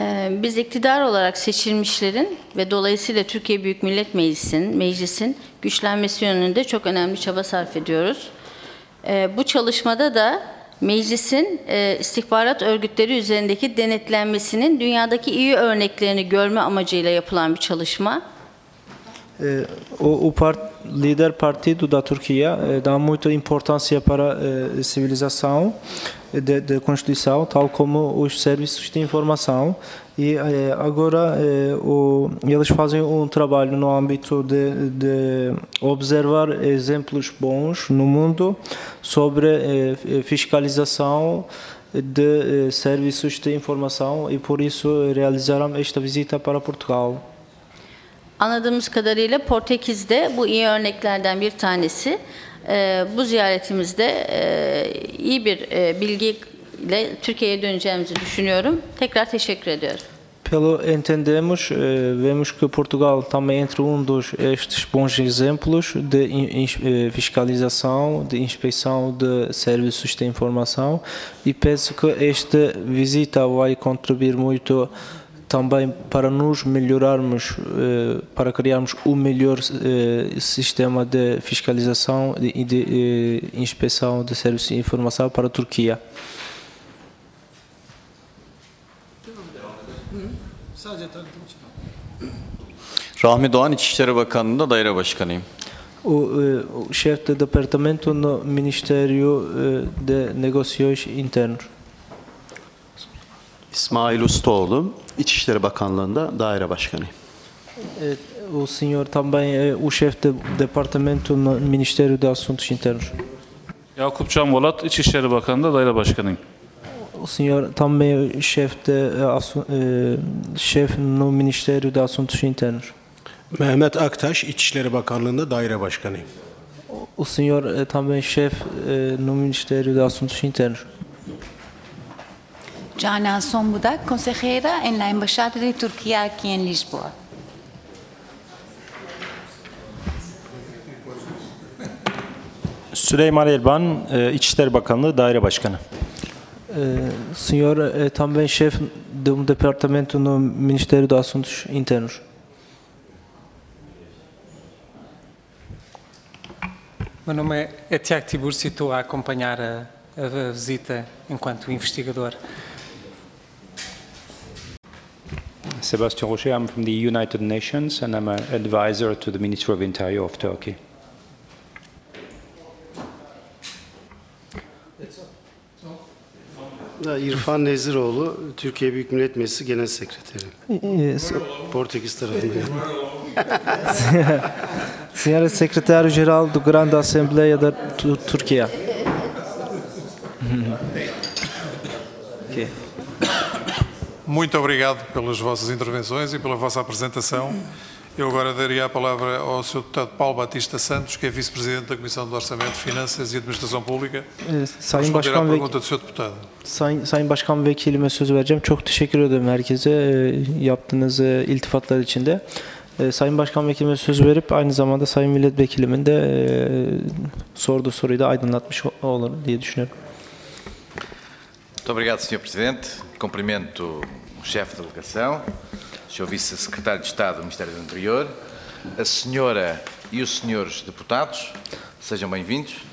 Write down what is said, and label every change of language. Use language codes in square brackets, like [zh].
[tr] Biz iktidar olarak seçilmişlerin ve dolayısıyla Türkiye Büyük Millet Meclisi'nin güçlenmesi yönünde çok önemli çaba sarf ediyoruz. Bu çalışmada da meclisin istihbarat örgütleri üzerindeki denetlenmesinin dünyadaki iyi örneklerini görme amacıyla yapılan bir çalışma. [pt] O lider partido da Turquia dá muita importância para civilização de constituição, tal como os serviços de informação, e agora eles fazem um trabalho no âmbito de observar exemplos bons no mundo sobre fiscalização de serviços de informação, e por isso realizaram esta visita para Portugal. [tr] Anladığımız kadarıyla Portekiz de bu iyi örneklerden bir tanesi. Bu ziyaretimizde iyi bir bilgiyle Türkiye'ye döneceğimizi düşünüyorum. Tekrar teşekkür ediyorum. [pt] Pelo entendemos, vemos que Portugal também entre um dos estes bons exemplos de fiscalização, de inspeção de serviços de informação, e penso que esta visita vai contribuir muito também para nos melhorarmos, para criarmos o melhor sistema de fiscalização e de inspeção de serviços de informação para a Turquia. [tr] Rahmi Doğan, İçişleri Bakanlığı'nda daire başkanıyım. [pt] O chefe de departamento no Ministério de Negócios Internos. [tr] İsmail Ustaoğlu, İçişleri Bakanlığı'nda daire başkanıyım. [pt] O senhor também é o chefe de departamento no Ministério de Assuntos Internos. [tr] Yakup Can Volat, İçişleri Bakanlığı'nda daire başkanıyım. [pt] O senhor também é o chefe no Ministério de Assuntos Internos. [tr] Mehmet Aktaş, İçişleri Bakanlığı'nda daire başkanıyım. [pt] O senhor também é chefe no Ministério de Assuntos Internos. Jana Sombuda, conselheira em la Embaixada de Turquia aqui em Lisboa. [tr] Süleyman Elban, İçişleri Bakanlığı Daire Başkanı. [pt] Senhor, também chefe de um departamento no Ministério dos Assuntos Internos. Meu nome é Tiago Tiburcio e estou a acompanhar a visita enquanto investigador. [en] Sebastian Rocher, I'm from the United Nations and I'm an advisor to the Minister of Interior of Turkey. [tr] İrfan Neziroğlu, Türkiye Büyük Millet Meclisi Genel Sekreteri. Portekiz tarafından. [pt] Senhor Secretário Geral do Grande Assembleia da Turquia. Muito obrigado pelas vossas intervenções e pela vossa apresentação. Eu agora daria a palavra ao Sr. Deputado Paulo Batista Santos, que é Vice-Presidente da Comissão de Orçamento, Finanças e Administração Pública, para responder à pergunta do Sr. Deputado. [tr] Sayın Başkan Vekilime söz vereceğim. Çok teşekkür ediyorum herkese yaptığınız iltifatlar için de. Sayın Başkan Vekilime söz verip aynı zamanda Sayın Milletvekilimin de sorduğu soruyu da aydınlatmış olur diye düşünüyorum. [pt] Muito obrigado, Sr. Presidente. Cumprimento o chefe de delegação, o Sr. Vice-Secretário de Estado do Ministério do Interior, a senhora e os senhores deputados, sejam bem-vindos.